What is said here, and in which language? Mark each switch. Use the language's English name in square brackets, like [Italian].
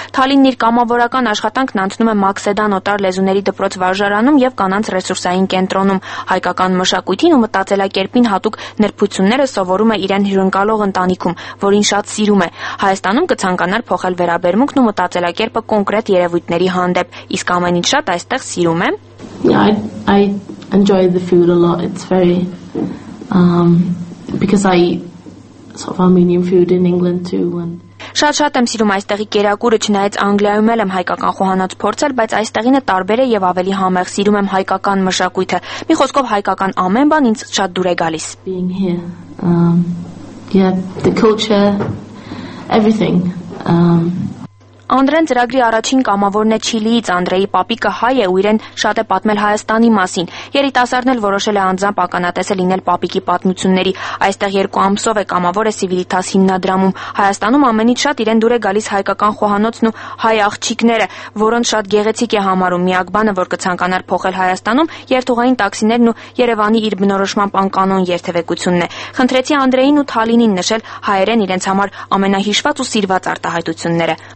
[Armenian] Թալինն իր կամավորական աշխատանքն անցնում է Մաքսեդան օտար լեզուների դպրոց վարժարանում եւ կանանց ռեսուրսային կենտրոնում։ Հայկական մշակույթին ու մտածելակերպին հատուկ նրբությունները սովորում է իրեն հյուրընկալող ընտանիքում, որին շատ սիրում է։ Հայաստանում կցանկանար փոխել վերաբերմունքն ու մտածելակերպը կոնկրետ երևույթների հանդեպ, իսկ ամենից շատ այստեղ սիրում եմ։ [English] I enjoy the food a lot. It's very because I eat sort of Armenian food in England too and [Armenian] Շատ-շատ եմ սիրում այստեղի կերակուրը, չնայած Անգլիայում էլ եմ հայկական խոհանոց փորձել, բայց այստեղինը տարբեր է եւ ավելի համեղ։ Սիրում եմ հայկական մշակույթը։ Մի խոսքով հայկական ամեն բան ինձ շատ դուր է գալիս։ [English] Being here. Yeah, the culture, everything. [Armenian] Անդրեն ծրագրի առաջին կամավորն է Չիլիից, Անդրեի պապիկը հայ է ու իրեն շատ է պատմել Հայաստանի մասին։ Երիտասարդն էլ որոշել է անձամբ ականատեսել լինել պապիկի պատմությունների։ Այստեղ 2 ամսով է կամավորը Սիվիլիտաս հիմնադրամում։ Հայաստանում ամենից շատ իրեն դուր է գալիս հայկական խոհանոցն ու հայ աղջիկները, որոնց շատ գեղեցիկ է համարում։ Միակ բանը, որ կցանկանար փոխել Հայաստանում, երթուղային տաքսիներն ու Երևանի իր բնորոշման անկանոն երթևեկությունն է։ Խնդրեցի Անդրեին ու Թալինին նշել հայերեն իրենց համար ամենահիշված ու սիրված արտահայտությունները։